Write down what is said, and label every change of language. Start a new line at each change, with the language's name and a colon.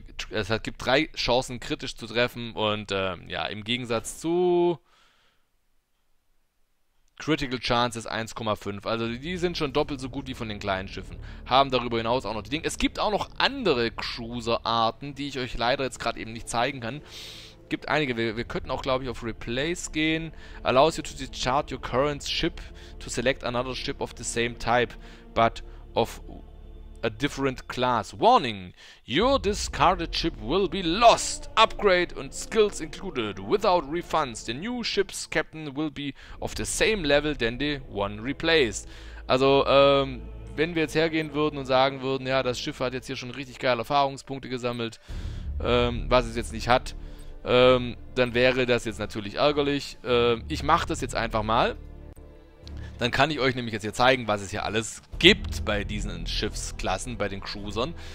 German: Es gibt 3 Chancen, kritisch zu treffen und ja, im Gegensatz zu Critical Chance ist 1,5. Also die sind schon doppelt so gut wie von den kleinen Schiffen. Haben darüber hinaus auch noch die Dinge. Es gibt auch noch andere Cruiser-Arten, die ich euch leider jetzt gerade eben nicht zeigen kann. Gibt einige. Wir könnten auch, glaube ich, auf Replace gehen.
English: Allows you to discard your current ship to select another ship of the same type, but of a different class. Warning! Your discarded ship will be lost. Upgrade and skills included. Without refunds. The new ship's captain will be of the same level than the one replaced.
German: Also, wenn wir jetzt hergehen würden und sagen würden, ja, das Schiff hat jetzt hier schon richtig geile Erfahrungspunkte gesammelt, was es jetzt nicht hat, dann wäre das jetzt natürlich ärgerlich. Ich mache das jetzt einfach mal. Dann kann ich euch nämlich jetzt hier zeigen, was es hier alles gibt bei diesen Schiffsklassen, bei den Cruisern.